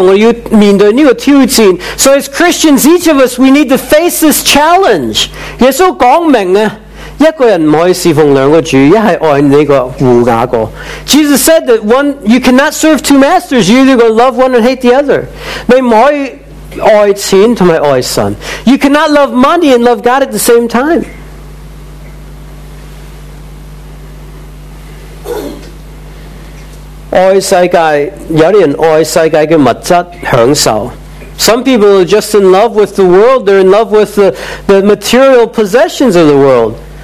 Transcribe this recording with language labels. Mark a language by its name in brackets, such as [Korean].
[Cantonese] 所以我哋每一个基督徒，我要面对呢个挑战。 [English] So as Christians, each of us, we need to face this challenge. [Cantonese] 耶稣讲明啊。一个人不可以侍奉两个主，一系爱你个护那个。 [English] Jesus said that one you cannot serve two masters. You're either going to love one and hate the other. [Cantonese] 你唔可以爱钱同埋爱神。 [English] You cannot love money and love God at the same time. [Cantonese] 爱世界，有啲人爱世界嘅物质享受。 [English] Some people are just in love with the world. They're in love with the material possessions of the world.